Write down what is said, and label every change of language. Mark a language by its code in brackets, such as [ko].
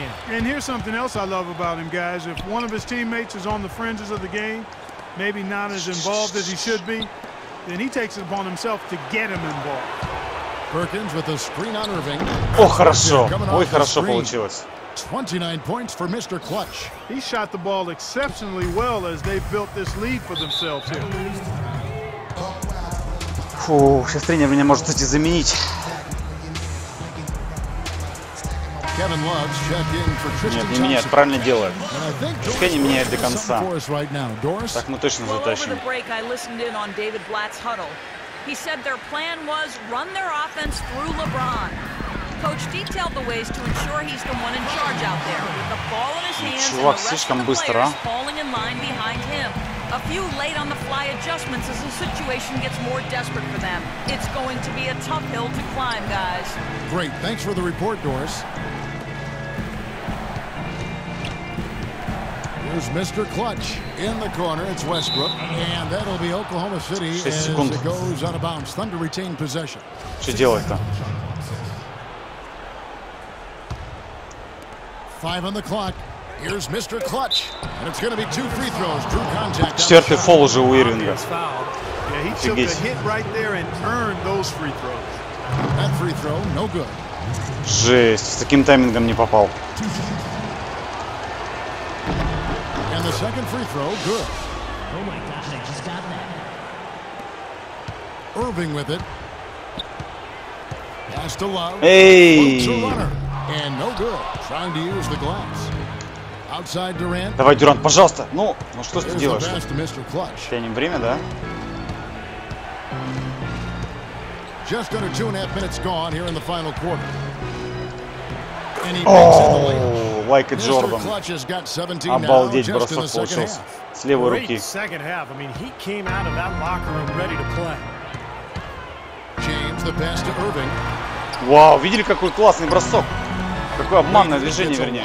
[en] And here's something else I love about him, guys. If one of his teammates is on the fringes of the game, maybe not as involved as he should be, then he takes it upon himself to get him involved. Perkins with a screen on Irving. [ru] О, хорошо. Ой, хорошо получилось. [en] 29 points for Mr. Clutch. He shot the ball exceptionally well as they built this lead for themselves here. [ru] Фу, сейчас тренер меня может кстати заменить. [en] Kevin Love's checked in for Tristan. [ru] Нет, не меняет, правильно делает. Пускай не меняет до конца. Так мы точно затащим. [en] Well, over the break, I listened in on David Blatt's huddle. He said their plan was run their offense through LeBron. Coach detailed the ways to ensure he's the one in charge out there, with the ball in his hands. [ru] Чувак, [en] and the rest of the [ru] быстро, [en] players [ru] а? [en] Falling in line behind him. A few late on the fly adjustments as the situation gets more desperate for them. It's going to be a tough hill to climb, guys. Great, thanks for the report, Doris. Here's Mr. Clutch in the corner. It's Westbrook, and that'll be Oklahoma City as it goes out of bounds. Thunder retain possession. [ru] Что делать-то? [en] 5 on the clock. Here's Mr. Clutch. And it's going to be two free throws. Drew contact. [ru] Четвертый фол уже у Ирвинга. [en] Yeah, he took a hit right there and earned those free throws. That free throw, no good. [ru] Жесть, с таким таймингом не попал. [en] And the second free throw, good. Oh my gosh, I just got that. Irving with it. Pass to Love. Hey! And no good. Trying to use the glass. Outside Durant. [ru] Давай, Дюрант, пожалуйста. Ну что ты делаешь? Тянем время, да? [en] Just under 2.5 minutes gone here in the final quarter. And he breaks the lead. Mr. Clutch has got 17 now. [ru] Обалдеть, бросок получился. С левой руки. [en] Great second half. I mean, he came out of that locker room ready to play. James, the pass to Irving. [ru] Вау, видели, какой классный бросок? Какое обманное движение, вернее.